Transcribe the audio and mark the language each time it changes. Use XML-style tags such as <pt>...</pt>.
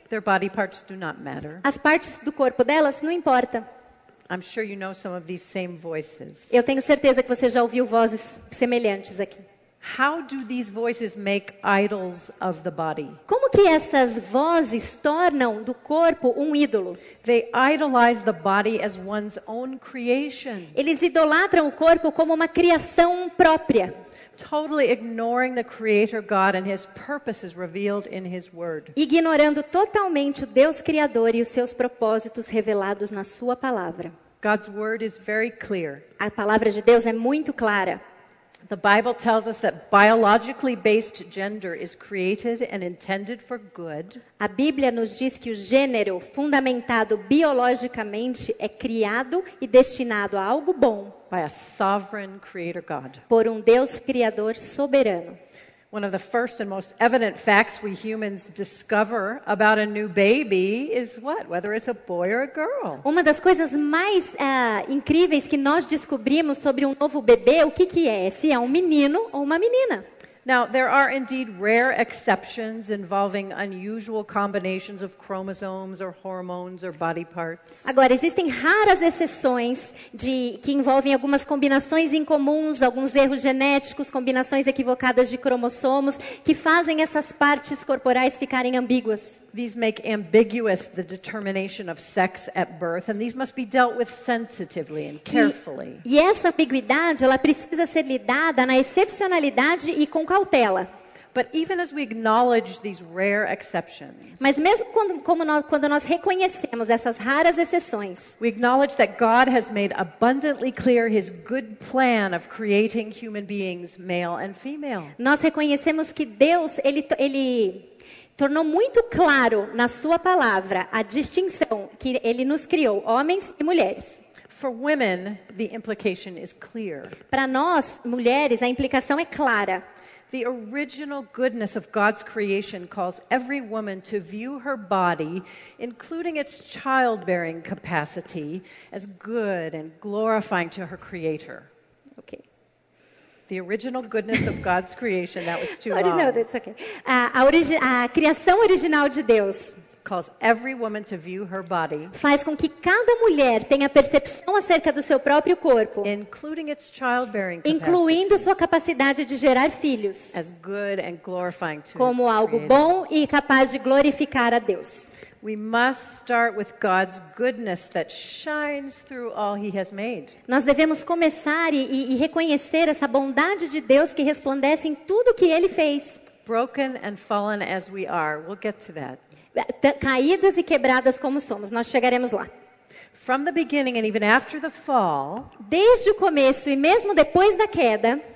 <en>Their body parts do not matter.</en> <pt>As partes do corpo delas não importam.</pt> <en>I'm sure you know some of these same voices.</en> <pt>Eu tenho certeza que você já ouviu vozes semelhantes aqui.</pt> <en>How do these voices make idols of the body?</en> <pt>Como que essas vozes tornam do corpo um ídolo?</pt> <en>They idolize the body as one's own creation.</en> <pt>Eles idolatram o corpo como uma criação própria.</pt> <en>Totally ignoring the Creator God and His purposes revealed in His Word.</en> <pt>Ignorando totalmente o Deus Criador e os seus propósitos revelados na Sua palavra.</pt> <en>God's word is very clear.</en> <pt>A palavra de Deus é muito clara.</pt> <en>The Bible tells us that biologically based gender is created and intended for good.</en> <pt>A Bíblia nos diz que o gênero fundamentado biologicamente é criado e destinado a algo bom.</pt> <en>By a sovereign creator God.</en> <pt>Por Deus criador soberano.</pt> <en>One of the first and most evident facts we humans discover about a new baby is what? Whether it's a boy or a girl.</en> <pt>Uma das coisas mais incríveis que nós descobrimos sobre novo bebê, o que é? Se é menino ou uma menina.</pt> <en>Now, there are indeed rare exceptions involving unusual combinations of chromosomes or hormones or body parts.</en> <pt>Agora, existem raras exceções que envolvem algumas combinações incomuns, alguns erros genéticos, combinações equivocadas de cromossomos, que fazem essas partes corporais ficarem ambíguas.</pt> <en>These make ambiguous the determination of sex at birth, and these must be dealt with sensitively and carefully.</en> <pt>E essa ambiguidade, ela precisa ser lidada na excepcionalidade e com cautela.</pt> <en>But even as we acknowledge these rare exceptions,</en> <pt>mas mesmo quando nós reconhecemos essas raras exceções,</pt> <en>we acknowledge that God has made abundantly clear His good plan of creating human beings, male and female.</en> <pt>Nós reconhecemos que Deus ele tornou muito claro na sua palavra a distinção que ele nos criou, homens e mulheres.</pt> <en>For women, the implication is clear.</en> <pt>Para nós, mulheres, a implicação é clara.</pt> <en>The original goodness of God's creation calls every woman to view her body, including its childbearing capacity, as good and glorifying to her creator. The original goodness of God's creation, that was too long. No, that's okay.</en> <pt>A criação original de Deus</pt> <en>calls every woman to view her body,</en> <pt>faz com que cada mulher tenha percepção acerca do seu próprio corpo,</pt> <en>including its childbearing</en> <pt>incluindo</pt> <en>capacity,</en> <pt>sua capacidade de gerar filhos,</pt> <en>as good and glorifying to</en> <pt>como</pt> <en>its</en> <pt>algo</pt> <en>creator.</en> <pt>Bom e capaz de glorificar a Deus.</pt> <en>We must start with God's goodness that shines through all He has made.</en> <pt>Nós devemos começar e reconhecer essa bondade de Deus que resplandece em tudo que Ele fez.</pt> <en>Broken and fallen as we are, we'll get to that.</en> <pt>Caídas e quebradas como somos, nós chegaremos lá.</pt> <en>From the beginning and even after the fall,</en> <pt>desde o começo e mesmo depois da queda,</pt>